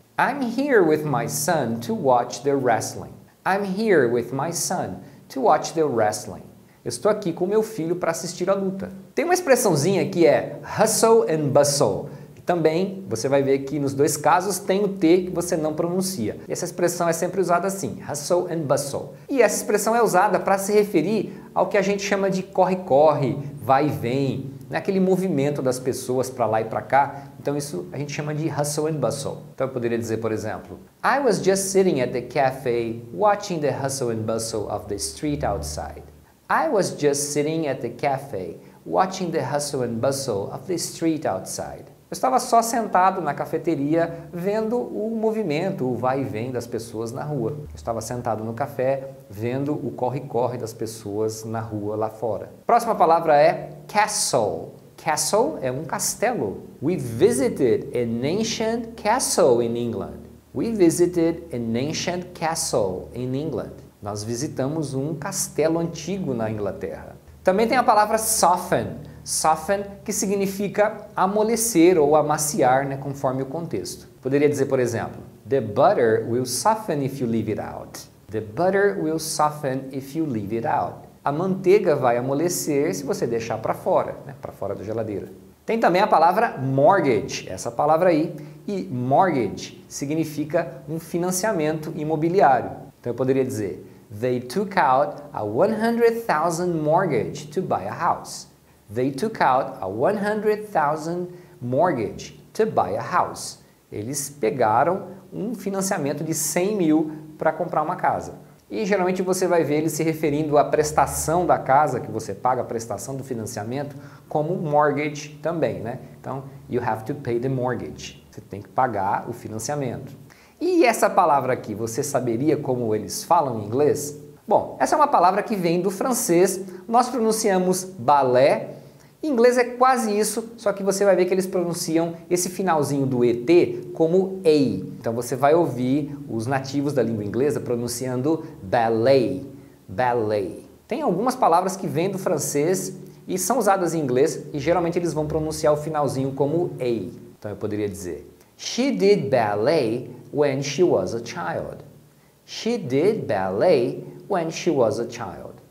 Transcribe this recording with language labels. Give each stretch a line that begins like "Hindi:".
English: I'm here with my son to watch the wrestling. I'm here with my son to watch the wrestling.
Portuguese: Estou aqui com meu filho para assistir a luta. Tem uma expressãozinha que é hustle and bustle. Também, você vai ver que nos dois casos tem o T que você não pronuncia. E essa expressão é sempre usada assim, hustle and bustle. E essa expressão é usada para se referir ao que a gente chama de corre-corre, vai-e-vem, né? Aquele movimento das pessoas para lá e para cá. Então isso a gente chama de hustle and bustle. Então eu poderia dizer, por exemplo,
English: I was just sitting at the cafe watching the hustle and bustle of the street outside. I was just sitting at the cafe watching the hustle and bustle of the street outside.
Portuguese: Eu estava só sentado na cafeteria vendo o movimento, o vai e vem das pessoas na rua. Eu estava sentado no café vendo o corre-corre das pessoas na rua lá fora. Próxima palavra é castle. Castle é um castelo.
English: We visited an ancient castle in England. We visited an ancient castle in England.
Portuguese: Nós visitamos um castelo antigo na Inglaterra. Também tem a palavra soften. Soften, que significa amolecer ou amaciar, né, conforme o contexto. Poderia dizer, por exemplo,
English: the butter will soften if you leave it out. The butter will soften if you leave it out.
Portuguese: A manteiga vai amolecer se você deixar para fora, né, para fora da geladeira. Tem também a palavra mortgage, essa palavra aí. E mortgage significa um financiamento imobiliário. Então eu poderia dizer,
English: they took out a 100,000 mortgage to buy a house. They took out a 100,000 mortgage to buy a house.
Portuguese: Eles pegaram um financiamento de 100 mil para comprar uma casa. E geralmente você vai ver ele se referindo à prestação da casa que você paga, a prestação do financiamento, como mortgage também, né? Então,
English: you have to pay the mortgage.
Portuguese: Você tem que pagar o financiamento. E essa palavra aqui, você saberia como eles falam em inglês? Bom, essa é uma palavra que vem do francês. Nós pronunciamos balé. Em inglês é quase isso, só que você vai ver que eles pronunciam esse finalzinho do ET como EI. Então você vai ouvir os nativos da língua inglesa pronunciando ballet, ballet. Tem algumas palavras que vêm do francês e são usadas em inglês e geralmente eles vão pronunciar o finalzinho como EI. Então eu poderia dizer,
English: she did ballet when she was a child. She did ballet when she was a child.